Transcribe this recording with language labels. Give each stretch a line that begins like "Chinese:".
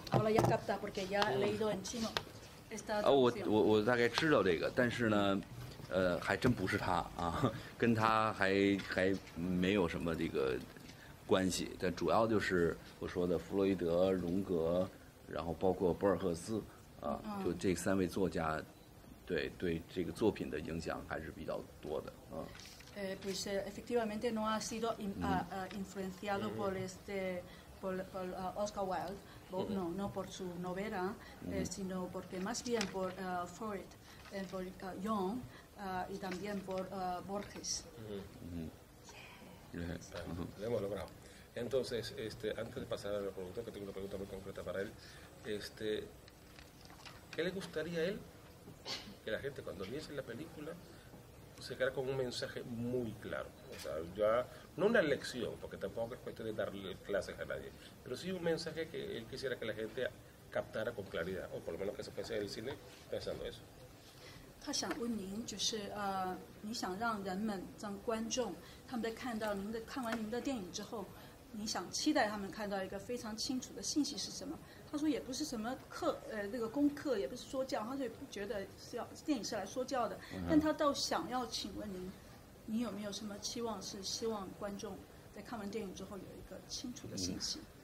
Spanish: Ahora ya capta porque ya he leído en chino esta traducción.
Chinese: 我大概知道这个，但是呢，还真不是他啊，跟他还没有什么这个关系。但主要就是我说的弗洛伊德、荣格，然后包括博尔赫斯啊，就这三位作家，对这个作品的影响还是比较多的啊。
Spanish: Pues efectivamente no ha sido influenciado por este. Por Oscar Wilde, no por su novela, sino porque más bien por Freud, por Jung, y también por Borges. Lo hemos logrado. Entonces, antes de pasar a la pregunta, que tengo una pregunta muy concreta para él, ¿qué le gustaría a él que la gente cuando viese la película se queda con un mensaje muy claro. O sea, ya, no una lección, porque tampoco es cuestión de darle clases a nadie, pero sí un mensaje que él quisiera que la gente captara con claridad, o por lo menos que se fuese del cine pensando eso.
Chinese: 他想问您，就是你想让人们，让观众他们在看到您的看完您的电影之后，你想期待他们看到一个非常清楚的信息是什么？他说也不是什么课，那个功课也不是说教，他就觉得是要电影是来说教的，但他倒想要请问您，你有没有什么期望是希望观众在看完电影之后有一个清楚的信息？